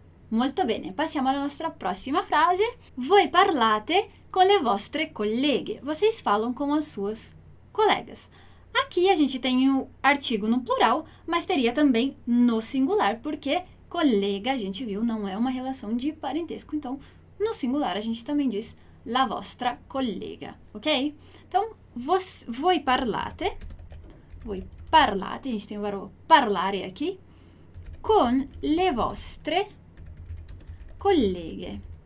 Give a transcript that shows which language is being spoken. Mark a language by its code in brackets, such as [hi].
[it] Molto bene, passiamo alla nostra prossima frase. Voi parlate con le vostre colleghe. [pt] Vocês falam com as suas colegas. Aqui a gente tem o artigo no plural, mas teria também no singular, porque colega, a gente viu, não é uma relação de parentesco. Então, no singular, a gente também diz [it] la vostra collega, [pt] ok? Então, [it] voi parlate, [pt] a gente tem o verbo parlare aqui, [it] con le vostre colleghe.